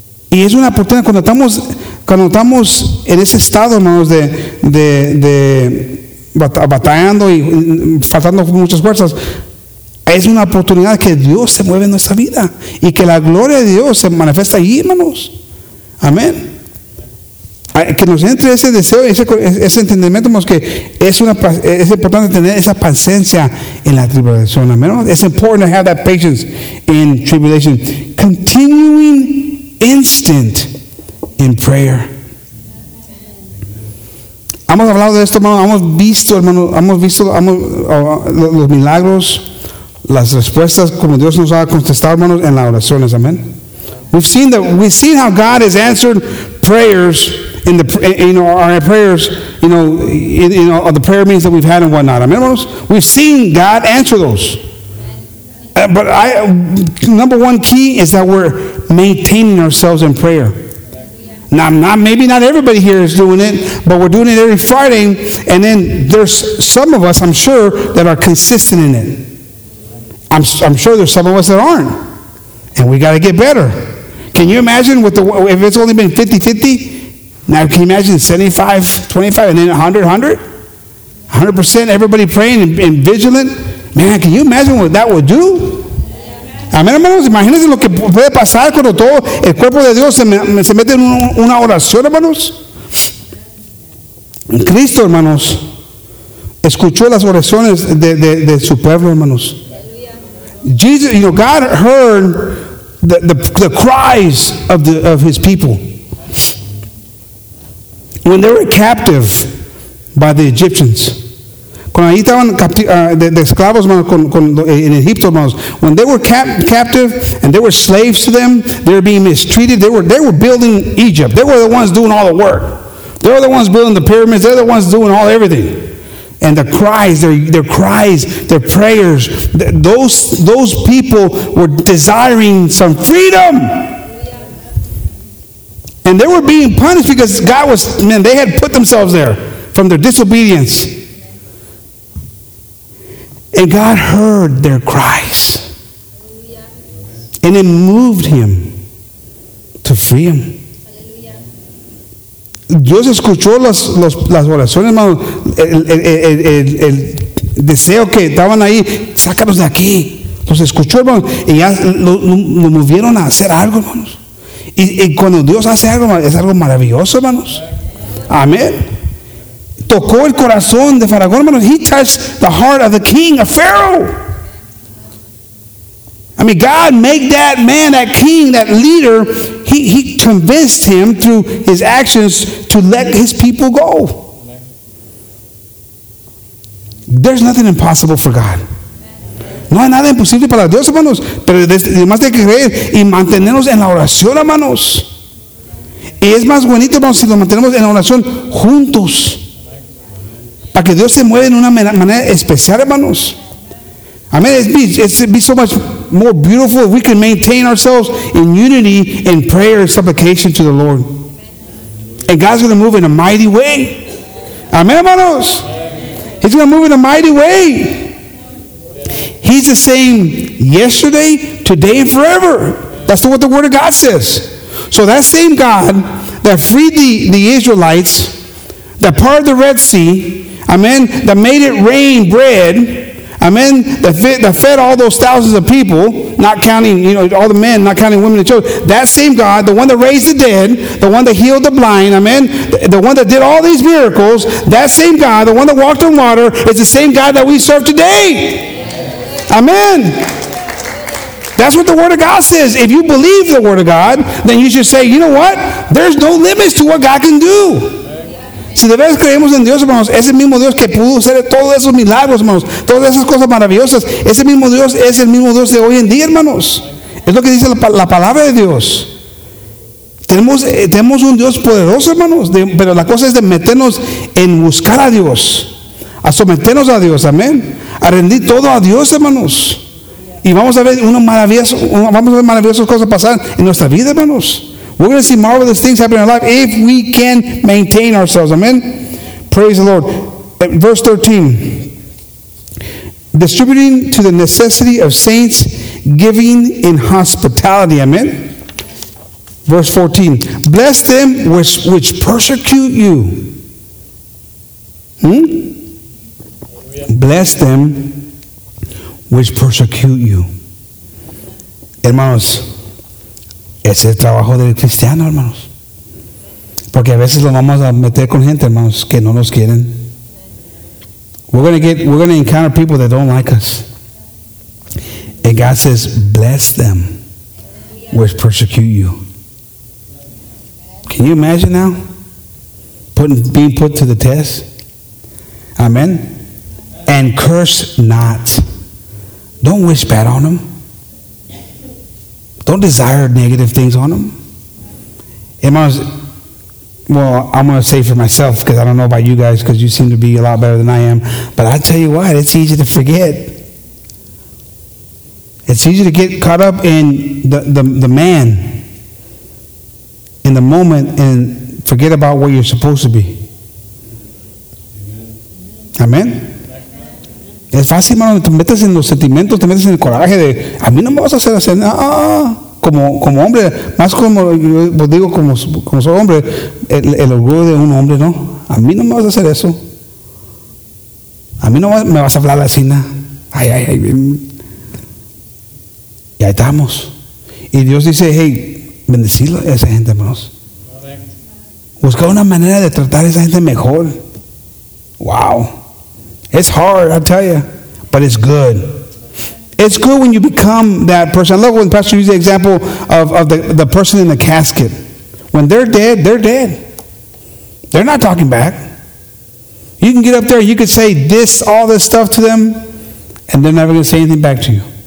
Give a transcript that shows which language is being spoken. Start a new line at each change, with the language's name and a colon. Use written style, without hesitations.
Spanish: Y es una oportunidad cuando estamos en ese estado, hermanos, de batallando y faltando muchas fuerzas, es una oportunidad que Dios se mueve en nuestra vida y que la gloria de Dios se manifiesta ahí, hermanos. Amén. Que nos entre ese deseo, ese entendimiento, que es importante tener esa paciencia en la tribulación.
English: Amen. It's important to have that patience in tribulation. Continuing instant in prayer.
Spanish: Hemos hablado de esto, hermano. Hemos visto, hermano. Hemos visto los milagros, las respuestas como Dios nos ha contestado, hermanos, en las oraciones. Amén.
English: We've seen how God has answered prayers in the our prayers, of the prayer meetings that we've had and whatnot.
Spanish: Amén, hermanos.
English: We've seen God answer those. But number one key is that we're maintaining ourselves in prayer. Now, maybe not everybody here is doing it, but we're doing it every Friday, and then there's some of us, I'm sure, that are consistent in it. I'm sure there's some of us that aren't, and we got to get better. Can you imagine if it's only been 50-50? Now, can you imagine 75-25 and then 100-100? 100% everybody praying and vigilant? Man, can you imagine what that would do?
Spanish: Amén, hermanos. Imagínense lo que puede pasar cuando todo el cuerpo de Dios se mete en una oración, hermanos. Cristo, hermanos, escuchó las oraciones de su pueblo, hermanos.
English: Jesus, God heard the cries of his people when they were captive by the Egyptians.
Spanish: Cuando ahí estaban de esclavos, hermanos, en Egipto, hermanos.
English: When they were captive and they were slaves to them, they were being mistreated. They were building Egypt. They were the ones doing all the work. They were the ones building the pyramids. They're the ones doing all everything. And the cries, their cries, their prayers, those people were desiring some freedom. And they were being punished because God was, man, they had put themselves there from their disobedience. And God heard their cries. And it moved him to free him.
Spanish: Dios escuchó las oraciones, hermano. El deseo que estaban ahí, sácanos de aquí. Los escuchó, hermano. Y ya lo movieron a hacer algo, hermanos. Y cuando Dios hace algo, es algo maravilloso, hermanos. Amén. Tocó el corazón de Faraón, hermanos.
English: He touched the heart of the king, of Pharaoh. I mean, God made that man, that king, that leader, he convinced him through his actions to let his people go. There's nothing impossible for God.
Spanish: No hay nada imposible para Dios, hermanos. Pero además de creer y mantenernos en la oración, hermanos. Y es más bonito, hermanos, si nos mantenemos en la oración juntos. Para que Dios se mueva en una manera especial, hermanos.
English: Amen. It'd be so much more beautiful if we can maintain ourselves in unity in prayer and supplication to the Lord. And God's going to move in a mighty way. Amen, hermanos. He's going to move in a mighty way. He's the same yesterday, today, and forever. That's what the Word of God says. So that same God that freed the Israelites, that parted the Red Sea, amen, that made it rain bread, amen, that fed all those thousands of people, not counting, all the men, not counting women and children. That same God, the one that raised the dead, the one that healed the blind, amen, the one that did all these miracles, that same God, the one that walked on water, is the same God that we serve today. Amen. That's what the Word of God says. If you believe the Word of God, then you should say, you know what? There's no limits to what God can do.
Spanish: Si de verdad creemos en Dios, hermanos, ese mismo Dios que pudo hacer todos esos milagros, hermanos, todas esas cosas maravillosas, ese mismo Dios es el mismo Dios de hoy en día, hermanos. Es lo que dice la palabra de Dios. Tenemos un Dios poderoso, hermanos, pero la cosa es de meternos en buscar a Dios, a someternos a Dios, amén, a rendir todo a Dios, hermanos. Y vamos a ver maravillosas cosas pasar en nuestra vida, hermanos.
English: We're going to see marvelous things happen in our life if we can maintain ourselves. Amen? Praise the Lord. Verse 13. Distributing to the necessity of saints, giving in hospitality. Amen? Verse 14. Bless them which persecute you. Bless them which persecute you.
Spanish: Hermanos, es el trabajo del cristiano, hermanos. Porque a veces lo vamos a meter con gente, hermanos, que no nos quieren.
English: We're going to encounter people that don't like us. And God says, bless them which persecute you. Can you imagine now? being put to the test. Amen. And curse not. Don't wish bad on them. Don't desire negative things on them. Hermanos, well, I'm going to say for myself, because I don't know about you guys, because you seem to be a lot better than I am. But I tell you what, it's easy to forget. It's easy to get caught up in the man in the moment and forget about what you're supposed to be. Amen.
Spanish: Es fácil, mano, te metes en los sentimientos, te metes en el coraje de, a mí no me vas a hacer hacer nada. Como hombre, más como, pues digo, como soy hombre, el orgullo de un hombre, ¿no? A mí no me vas a hacer eso. A mí no me vas a hablar la cena. Ay, ay, ay. Y ahí estamos. Y Dios dice, hey, bendecir a esa gente, hermanos. Busca una manera de tratar a esa gente mejor.
English: Wow. It's hard, I tell you, but it's good. It's good when you become that person. I love when Pastor used the example of the person in the casket. When they're dead, they're dead. They're not talking back. You can get up there, you can say this, all this stuff to them, and they're never going to say anything back to you.